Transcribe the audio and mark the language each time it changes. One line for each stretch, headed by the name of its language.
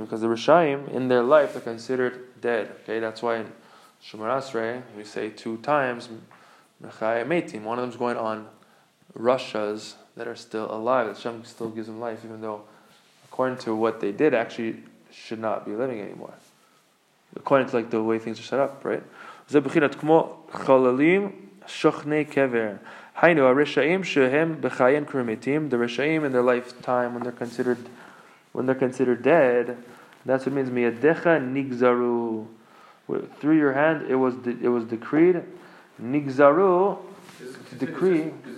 English: Because the rasha'im, in their life, are considered dead. Okay, that's why in Shomer Asrei, we say two times, mechaye metim. One of them's going on rasha's that are still alive. Hashem still gives them life, even though, according to what they did, actually should not be living anymore. According to like the way things are set up, right?
Hebrew: זה בחינת כמו חללים שוכני קבר. היינו, הרשעים שהם בחיין קרמיתים,
English: the רשעים in their lifetime, when they're considered dead, that's what it means,
Hebrew: מידיך נגזרו.
English: Through your hand, it was decreed. נגזרו, decree.